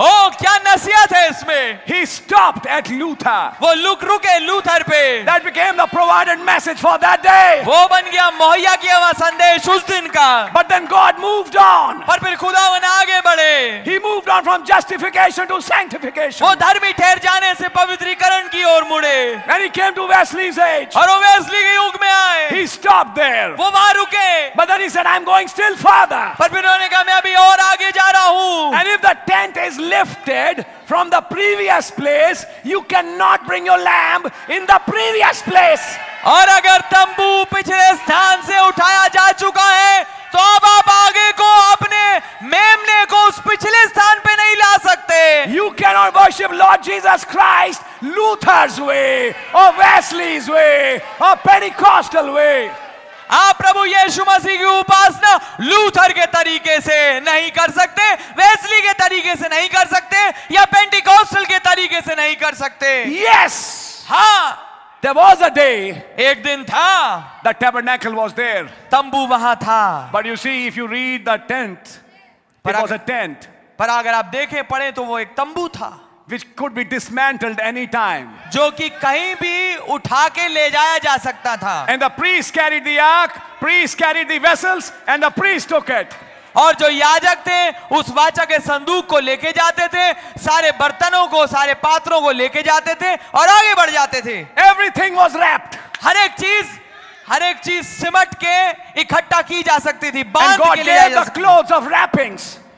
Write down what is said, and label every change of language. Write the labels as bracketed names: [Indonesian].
[Hindi] Oh, kya nasihat hai isme. [English] He stopped at Luther, [Hindi] wo luk ruke Luther pe. [English] That became the provided message for that day, [Hindi] wo ban gaya mohiya kiya hua sandesh us din ka. [English] But then God moved on, [Hindi] par phir khuda आगे बढ़े। [English] He moved on from justification to sanctification. [Hindi] वो धर्मी ठहर जाने से पवित्रीकरण की ओर मुड़े। [English] When he came to Wesley's age, [Hindi] और वो वेस्ली के युग में आए। [English] He stopped there. [Hindi] वो वहाँ रुके। [English] But then he said, I'm going still further. [Hindi] पर फिर उन्होंने कहा, मैं अभी और आगे जा रहा हूँ। [English] And if the tent is lifted from the previous place, you cannot bring your lamb in the previous place. [Hindi] और अगर तंबू पिछले स्थान से उठाया जा चुका है, तो अब आप आगे को अपने मेमने को उस पिछले स्थान पे नहीं ला सकते। [English] You cannot worship Lord Jesus Christ Luther's way, or Wesley's way, or Pentecostal way. [Hindi] आप प्रभु यीशु मसीह की उपासना लूथर के तरीके से नहीं कर सकते, वेस्ली के तरीके से नहीं कर सकते, या पेंटिकॉस्टल के तरीके से नहीं कर सकते। [English] Yes, [Hindi] हाँ। [English] There was a day, [Hindi] एक दिन था, [English] the tabernacle was there, [Hindi] तंबू वहां था, [English] but you see, if you read the tent, it was a tent, [Hindi] पर अगर आप देखें पढ़ें तो वो एक तंबू था, [English] which could be dismantled anytime, [Hindi] जो कि कहीं भी उठा के ले जाया जा सकता था, [English] and the priest carried the ark, priest carried the vessels, and the priest took it. [Hindi] और जो याजक थे उस वाचा के संदूक को लेके जाते थे, सारे बर्तनों को, सारे पात्रों को लेके जाते थे और आगे बढ़ जाते थे। [English] everything was wrapped, [Hindi] हर एक चीज सिमट के इकट्ठा की जा सकती थी, बांध के ले जा सकते थे। [English] clothes of wrappings,